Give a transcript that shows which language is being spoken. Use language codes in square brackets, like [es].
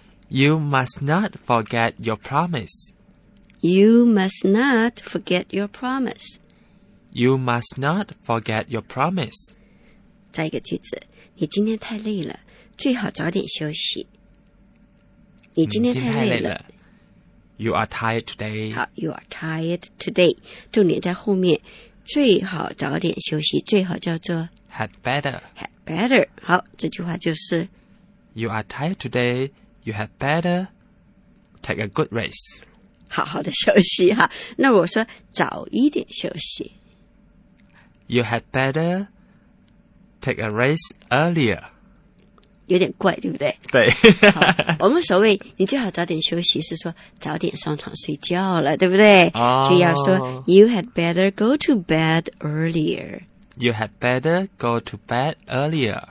[en] You must not forget your promise. You must not forget your promise. You must not forget your promise. [zh] 再一个句子，你今天太累了，最好早点休息。你今天太累了。 [en] You are tired today. 好 ,You are tired today. [zh] 重点在后面。最好早点休息，最好叫做 [en] had better. [zh] Had better. 好，这句话就是 [en] You are tired today. You had better take a good rest. [zh] 好好的休息哈。那我说早一点休息。 [en] You had better take a rest earlier. [zh] 有点怪，对不对？对。我们所谓你最好早点休息是说早点上床睡觉了，对不对？所以要说 [en] You had better go to bed earlier. You had better go to bed earlier.